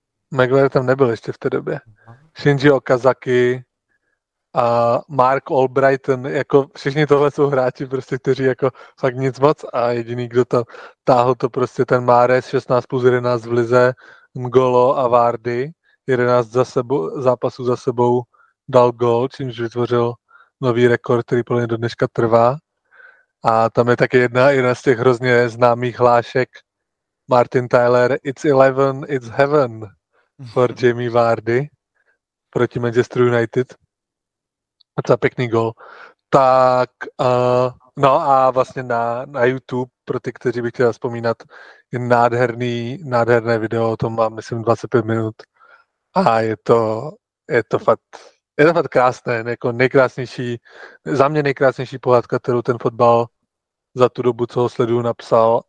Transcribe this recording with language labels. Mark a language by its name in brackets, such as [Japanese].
[Czech] Maguire tam nebyl ještě v té době. Shinji Okazaki, Mark Albrighton, jako všichni tohle jsou hráči, prostě, kteří jako fakt nic moc a jediný, kdo to táhl, to prostě ten Mahrez 16+11 v lize, N'Golo a Vardy, 11 zápasů za sebou dal gól, čímž vytvořil nový rekord, který podle mě do dneška trvá. A tam je taky jedna z těch hrozně známých hlášek. [English] Martin Tyler, it's 11, it's heaven for Jamie Vardy proti Manchester United. [Czech] A to je pěkný gol. Tak, no a vlastně na YouTube, pro ty, kteří by chtěli vzpomínat, je nádherné video, o tom mám, myslím, 25 minut. A je to fakt krásné, jako nejkrásnější, za mě nejkrásnější pohádka, kterou ten fotbal za tu dobu, co ho sleduju, napsal.